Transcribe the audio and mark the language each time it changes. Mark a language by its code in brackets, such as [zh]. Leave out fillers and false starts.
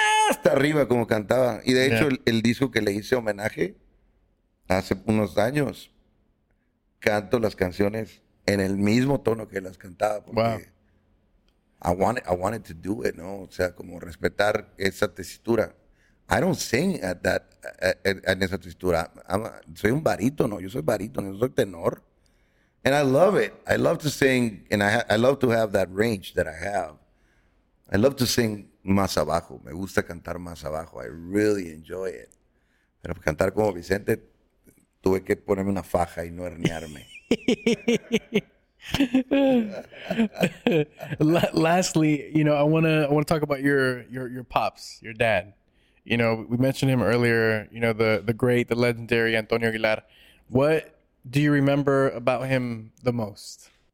[es] Hasta arriba como cantaba. Y de hecho, yeah, el disco que le hice homenaje hace unos años, canto las canciones en el mismo tono que las cantaba. Porque wow. I wanted to do it, ¿no? O sea, como respetar esa tesitura. [en] I don't sing at that, en esa tesitura. [es] Soy un barítono, yo soy barítono, yo soy tenor. [en] And I love it. I love to sing, and I love to have that range that I have. I love to sing más abajo. [es] Me gusta cantar más abajo. I really enjoy it. Pero cantar como Vicente, tuve que ponerme una faja y no hernearme. [en] Lastly, you know, I want to talk about your pops, your dad. You know, we mentioned him earlier, you know, the great, the legendary Antonio Aguilar. What do you remember about him the most?